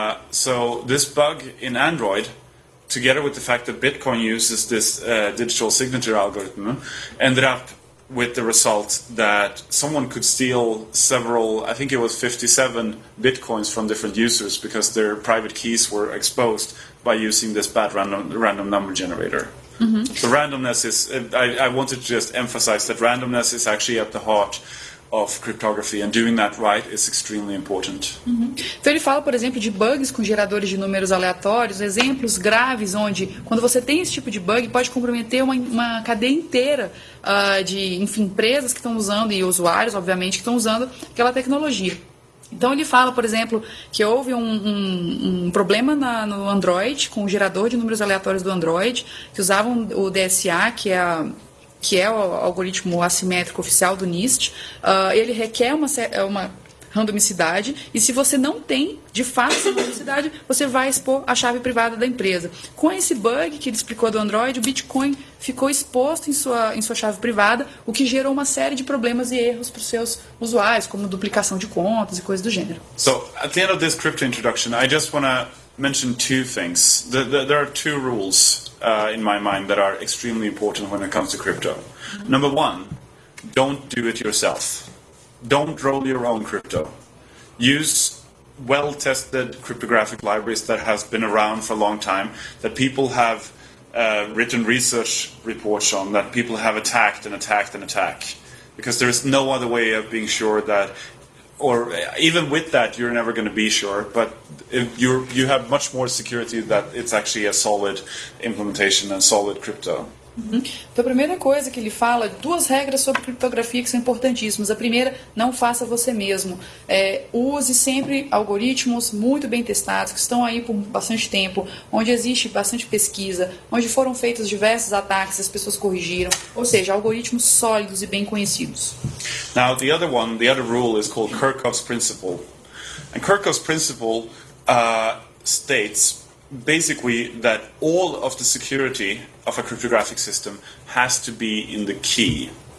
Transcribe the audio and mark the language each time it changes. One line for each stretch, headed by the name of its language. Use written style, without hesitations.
English: So this bug in Android, together with the fact that Bitcoin uses this digital signature algorithm, ended up with the result that someone could steal several, I think it was 57 bitcoins from different users because their private keys were exposed by using this bad random number generator. Mm-hmm. So randomness is, I wanted to just emphasize that randomness is actually at the heart of cryptography, and doing that right is extremely important. Uhum.
Portuguese: Então ele fala, por exemplo, de bugs com geradores de números aleatórios, exemplos graves onde, quando você tem esse tipo de bug, pode comprometer uma cadeia inteira de, enfim, empresas que estão usando e usuários, obviamente, que estão usando aquela tecnologia. Então ele fala, por exemplo, que houve um problema no Android, com o gerador de números aleatórios do Android, que usavam o DSA, que é o algoritmo assimétrico oficial do NIST, ele requer uma randomicidade, e se você não tem, de fato, essa randomicidade, você vai expor a chave privada da empresa. Com esse bug que ele explicou do Android, o Bitcoin ficou exposto em sua chave privada, o que gerou uma série de problemas e erros para os seus usuários, como duplicação de contas e coisas do gênero.
English: So, at the end of this crypto introduction, I just want to mention two things. There are two rules in my mind that are extremely important when it comes to crypto. Mm-hmm. Number one, don't do it yourself. Don't roll your own crypto. Use well-tested cryptographic libraries that has been around for a long time, that people have written research reports on, that people have attacked and attacked and attacked. Because there is no other way of being sure that, or even with that, you're never going to be sure, but you have much more security that it's actually a solid implementation and solid crypto. Uhum.
Portuguese: Então, a primeira coisa que ele fala, duas regras sobre criptografia que são importantíssimas. A primeira, não faça você mesmo. Use sempre algoritmos muito bem testados, que estão aí por bastante tempo, onde existe bastante pesquisa, onde foram feitos diversos ataques, as pessoas corrigiram. Ou seja, algoritmos sólidos e bem conhecidos.
English: Now, the other one, the other rule is called Kirchhoff's Principle. And Kirchhoff's Principle states basically that all of the security of a cryptographic system has to be in the key.